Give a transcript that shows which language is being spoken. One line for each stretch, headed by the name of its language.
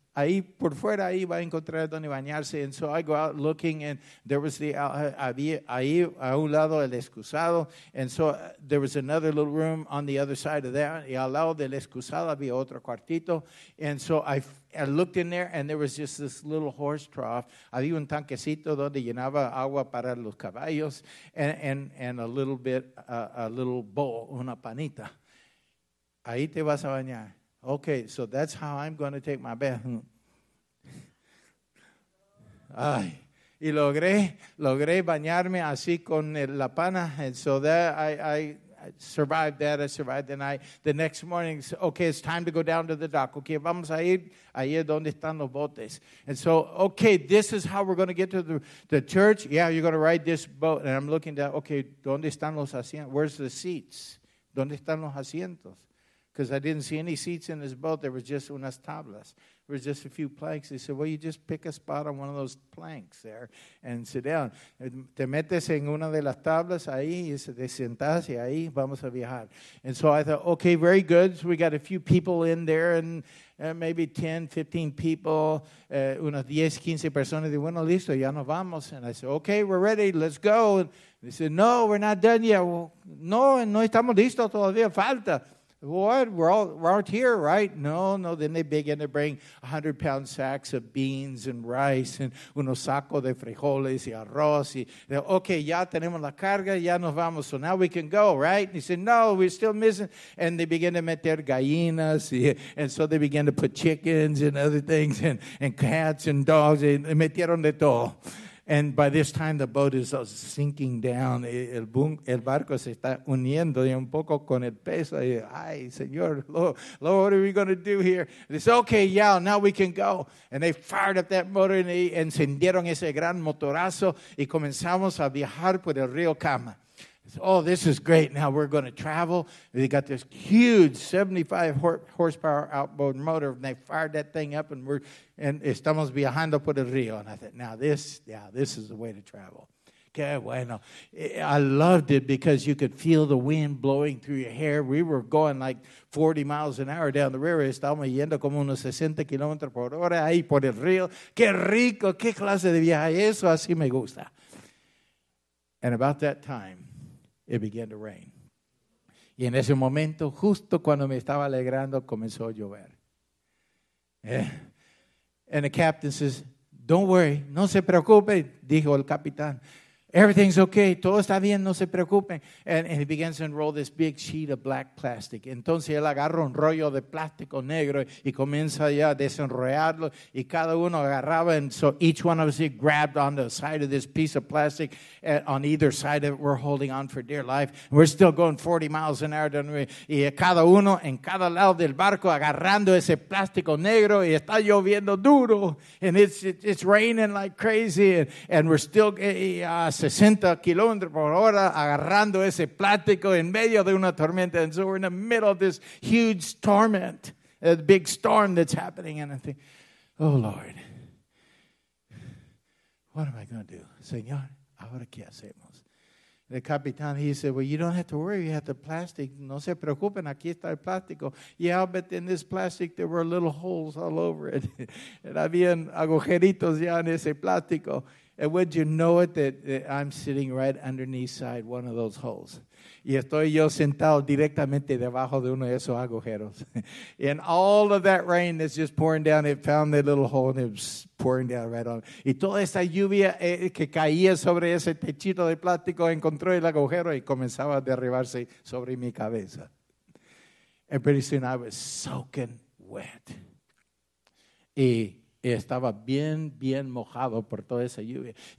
Spanish: ahí por fuera ahí va a encontrar donde bañarse.
English: And so I go out looking, and there was the
Spanish: había ahí a un lado el excusado,
English: and so there was another little room on the other side of that.
Spanish: Y al lado del excusado había otro cuartito,
English: and so I looked in there, and there was just this little horse trough.
Spanish: Había un tanquecito donde llenaba agua para los caballos,
English: and a little bit a little bowl,
Spanish: una panita. Ahí te vas a bañar.
English: Okay, so that's how I'm going to take my bath.
Spanish: Ay, y logré bañarme así con la pana,
English: and so that I survived that. I survived the night. The next morning, okay, it's time to go down to the dock.
Spanish: Okay, vamos a ir ahí donde están los botes.
English: And so, okay, this is how we're going to get to the church. Yeah, you're going to ride this boat, and I'm looking down. Okay,
Spanish: ¿dónde están los asientos?
English: Where's the seats?
Spanish: ¿Dónde están los asientos?
English: Because I didn't see any seats in this boat. There was just
Spanish: unas tablas.
English: There was just a few planks. They said, well, you just pick a spot on one of those planks there and sit down.
Spanish: Te metes en una de las tablas ahí y te sentas y ahí vamos a viajar.
English: And so I thought, okay, very good. So we got a few people in there and maybe 10, 15 people,
Spanish: unas 10, 15 personas.
English: They said,
Spanish: bueno, listo, ya nos vamos.
English: And I said, okay, we're ready. Let's go. And they said, no, we're not done yet.
Spanish: Well, no estamos listos todavía. Falta. What?
English: We're all here, right? No. Then they begin to bring 100-pound sacks of beans and rice and
Spanish: unos sacos de frijoles y arroz. Okay, ya tenemos la carga, ya nos vamos.
English: So now we can go, right? And he said, no, we're still missing. And they begin to
Spanish: meter gallinas.
English: And so they begin to put chickens and other things and cats and dogs. They
Spanish: metieron de todo.
English: And by this time, the boat is sinking down.
Spanish: El barco se está uniendo un poco con el peso. Ay, Señor,
English: Lord, what are we going to do here? They say, okay, yeah, now we can go. And they fired up that motor and they
Spanish: encendieron ese gran motorazo y comenzamos a viajar por el río Cama.
English: Oh, this is great. Now we're going to travel. They got this huge 75 horsepower outboard motor, and they fired that thing up, and
Spanish: estamos viajando por el río.
English: And I thought, now this is the way to travel.
Spanish: Qué bueno.
English: I loved it because you could feel the wind blowing through your hair. We were going like 40 miles an hour down the river.
Spanish: Estábamos yendo como unos 60 kilómetros por hora ahí por el río. Qué rico. Qué clase de viaje. Eso así me gusta.
English: And about that time, it began to rain.
Spanish: Y en ese momento, justo cuando me estaba alegrando, comenzó a llover.
English: Yeah. And the captain says, don't worry,
Spanish: no se preocupe, dijo el capitán.
English: Everything's okay,
Spanish: todo está bien, no se preocupe.
English: And he begins to unroll this big sheet of black plastic.
Spanish: Entonces él agarra un rollo de plástico negro y comienza ya a desenrollarlo. Y cada uno agarraba,
English: and so each one of us grabbed on the side of this piece of plastic. And on either side of it, we're holding on for dear life. We're still going 40 miles an hour, don't we?
Spanish: Y cada uno en cada lado del barco agarrando ese plástico negro y está lloviendo duro.
English: And it's raining like crazy. And we're still
Spanish: 60 kilómetros por hora agarrando ese plástico en medio de una tormenta.
English: And so we're in the middle of this huge torment, a big storm that's happening. And I think, oh, Lord, what am I going to do?
Spanish: Señor, ¿ahora qué hacemos?
English: The capitán, he said, well, you don't have to worry. You have the plastic.
Spanish: No se preocupen, aquí está el plástico.
English: Yeah, but in this plastic, there were little holes all over it. And
Spanish: había agujeritos ya en ese plástico.
English: And would you know it, that I'm sitting right underneath side one of those holes.
Spanish: Y estoy yo sentado directamente debajo de uno de esos agujeros.
English: And all of that rain that's just pouring down, it found that little hole and it was pouring down right on.
Spanish: Y toda esa lluvia que caía sobre ese techito de plástico encontró el agujero y comenzaba a derribarse sobre mi cabeza.
English: And pretty soon I was soaking wet.
Spanish: Y estaba bien, bien mojado por toda esa lluvia.